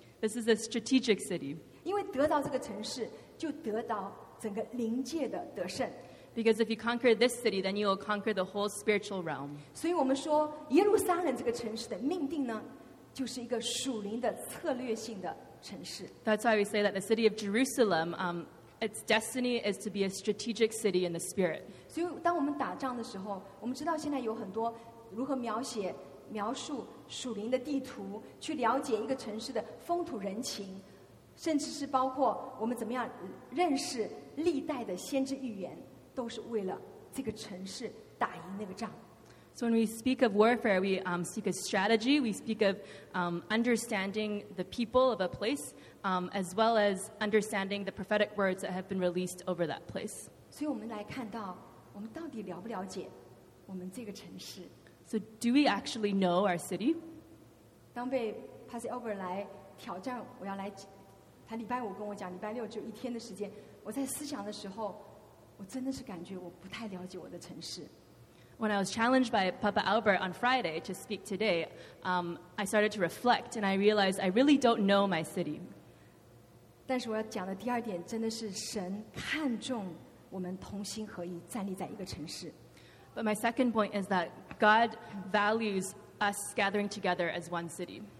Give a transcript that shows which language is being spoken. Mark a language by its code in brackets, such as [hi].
[en] This is a strategic city. [zh] 因为得到这个城市，就得到整个灵界的得胜。 [en] Because if you conquer this city, then you will conquer the whole spiritual realm. [zh] 所以我们说，耶路撒冷这个城市的命定呢，就是一个属灵的策略性的城市。 [en] That's why we say that the city of Jerusalem, its destiny is to be a strategic city in the spirit. [zh] 所以当我们打仗的时候，我们知道现在有很多如何描写、描述属灵的地图，去了解一个城市的风土人情，甚至是包括我们怎么样认识历代的先知预言。都是为了这个城市打赢那个仗。 [en] So when we speak of warfare, we seek a strategy. We speak of understanding the people of a place, as well as understanding the prophetic words that have been released over that place. [zh] 所以我们来看到，我们到底了不了解我们这个城市 [en] ？So do we actually know our city? [zh] 当被 Pastor Albert 来挑战，我要来，他礼拜五跟我讲，礼拜六只有一天的时间。我在思想的时候。我真的是感觉我不太了解我的城市。 [en] When I was challenged by Papa Albert on Friday to speak today, I started to reflect and I realized I really don't know my city. [zh] 但是我要讲的第二点真的是神看重我们同心合意站立在一个城市。 [en] But my second point is that God values us gathering together as one city.